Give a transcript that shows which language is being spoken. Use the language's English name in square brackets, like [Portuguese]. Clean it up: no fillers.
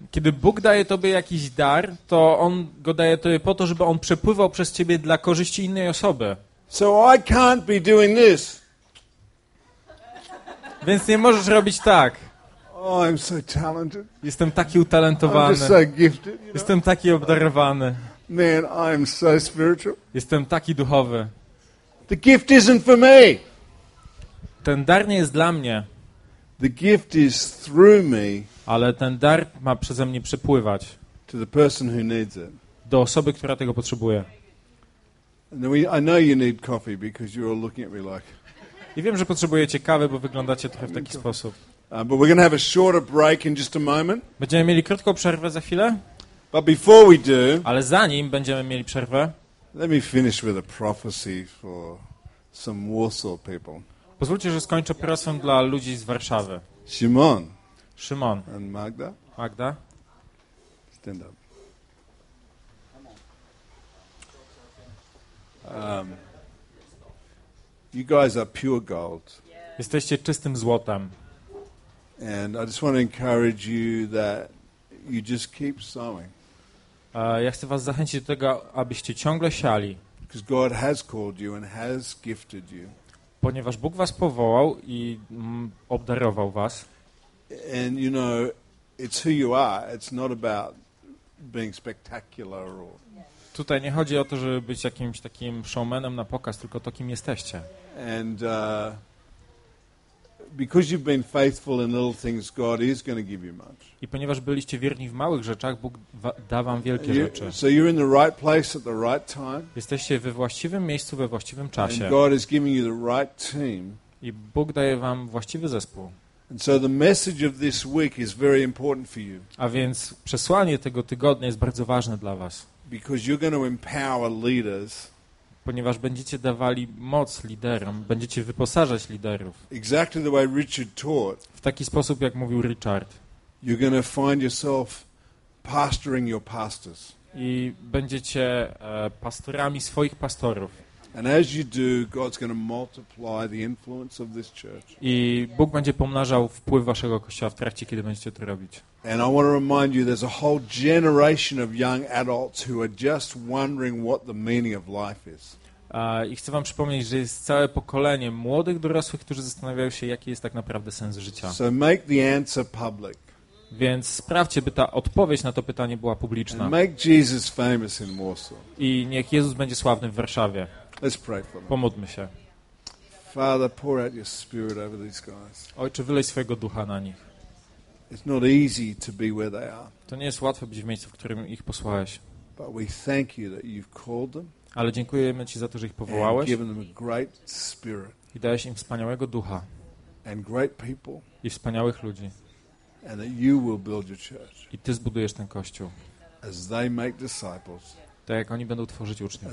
[Polish] Kiedy Bóg daje tobie jakiś dar, to on go daje tobie po to, żeby on przepływał przez ciebie dla korzyści innej osoby. [English] So I can't be doing this. [Polish] Więc nie możesz robić tak. [English] Oh, I'm so talented. [Polish] Jestem taki utalentowany. [English] I'm just so gifted, you know? [Polish] Jestem taki obdarowany. [English] Man, I'm so spiritual. [Polish] Jestem taki duchowy. [English] The gift isn't for me. [Polish] Ten dar nie jest dla mnie. [English] The gift is through me. [Polish] Ale ten dar ma przeze mnie przepływać. [English] To the person who needs it. [Polish] Do osoby, która tego potrzebuje. [English] And then I know you need coffee because you're all looking at me like. [Polish] I wiem, że potrzebujecie kawy, bo wyglądacie trochę w taki sposób. [English] But we're going to have a shorter break in just a moment. [Polish] Będziemy mieli krótką przerwę za chwilę. [English] But before we do, [Polish] ale zanim będziemy mieli przerwę, [English] let me finish with a prophecy for some Warsaw people. [Polish] Pozwólcie, że skończę prosą dla ludzi z Warszawy. Szymon. Szymon. [English] And Magda. [Polish] Magda. [English] Stand up. You guys are pure gold. [Polish] Jesteście czystym złotem. [English] And I just want to encourage you that you just keep sowing. [Polish] Ja chcę was zachęcić do tego, abyście ciągle siali. [English] Because God has called you and has gifted you. [Polish] Ponieważ Bóg was powołał i obdarował was. [English] And you know, it's who you are. It's not about being spectacular or. [Polish] Tutaj nie chodzi o to, żeby być jakimś takim showmanem na pokaz, tylko to, kim jesteście. [English] And because you've been faithful in little things, God is going to give you much. [Polish] I ponieważ byliście wierni w małych rzeczach, Bóg da wam wielkie rzeczy. [English] So you're in the right place at the right time. [Polish] Jesteście we właściwym miejscu we właściwym czasie. [English] And God is giving you the right team. [Polish] I Bóg daje wam właściwy zespół. [English] And so the message of this week is very important for you. [Polish] A więc przesłanie tego tygodnia jest bardzo ważne dla was. [English] Because you're going to empower leaders. [Polish] Ponieważ będziecie dawali moc liderom, będziecie wyposażać liderów. [English] Exactly the way Richard taught. [Polish] W taki sposób, jak mówił Richard. [English] You're going to find yourself pastoring your pastors. [Polish] I będziecie pastorami swoich pastorów. [English] And as you do, God's going to multiply the influence of this church. [Polish] I Bóg będzie pomnażał wpływ waszego kościoła w trakcie, kiedy będziecie to robić. [English] And I want to remind you, there's a whole generation of young adults who are just wondering what the meaning of life is. [Polish] I chcę wam przypomnieć, że jest całe pokolenie młodych dorosłych, którzy zastanawiają się, jaki jest tak naprawdę sens życia. [English] So make the answer public. [Polish] Więc sprawdźcie, by ta odpowiedź na to pytanie była publiczna. [English] And make Jesus famous in Warsaw. [Polish] I niech Jezus będzie sławny w Warszawie. [English] Let's pray for them. [Polish] Pomódlmy się. [English] Father, pour out your spirit over these guys. [Polish] Ojcze, wylej swojego ducha na nich. [English] It's not easy to be where they are. [Polish] To nie jest łatwe być w miejscu, w którym ich posłałeś. [English] But we thank you that you've called them. [Polish] Ale dziękujemy Ci za to, że ich powołałeś. [English] And given them a great spirit. [Polish] I dałeś im wspaniałego ducha. [English] And great people. [Polish] I wspaniałych ludzi. [English] And that you will build your church. [Polish] I Ty zbudujesz ten kościół. [English] As they make disciples. [Polish] Tak jak oni będą tworzyć uczniów.